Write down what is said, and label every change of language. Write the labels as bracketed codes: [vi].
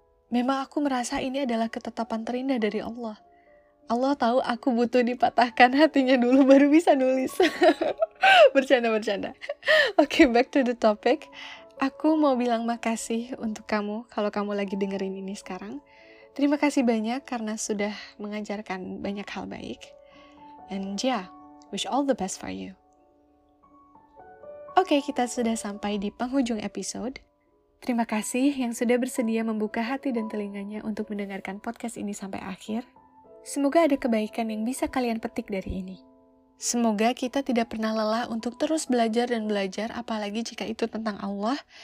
[id] Memang aku merasa ini adalah ketetapan terindah dari Allah. Allah tahu aku butuh dipatahkan hatinya dulu baru bisa nulis. Bercanda. [en] Okay, back to the topic. [id] Aku mau bilang makasih untuk kamu kalau kamu lagi dengerin ini sekarang. Terima kasih banyak karena sudah mengajarkan banyak hal baik. [en] And yeah, wish all the best for you. [id] Okay, kita sudah sampai di penghujung episode. Terima kasih yang sudah bersedia membuka hati dan telinganya untuk mendengarkan podcast ini sampai akhir. Semoga ada kebaikan yang bisa kalian petik dari ini. Semoga kita tidak pernah lelah untuk terus belajar dan belajar, apalagi jika itu tentang Allah.